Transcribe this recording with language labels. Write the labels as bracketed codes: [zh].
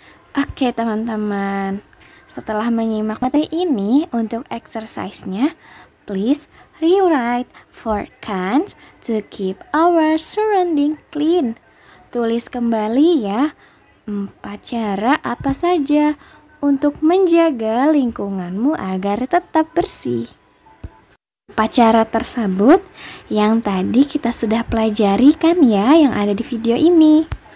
[id] Oke teman-teman, setelah menyimak materi ini untuk exercise-nya, please [en] Rewrite for cans to keep our surrounding clean. [id] Tulis kembali ya, 4 cara apa saja untuk menjaga lingkunganmu agar tetap bersih. 4 cara tersebut yang tadi kita sudah pelajari kan ya, yang ada di video ini.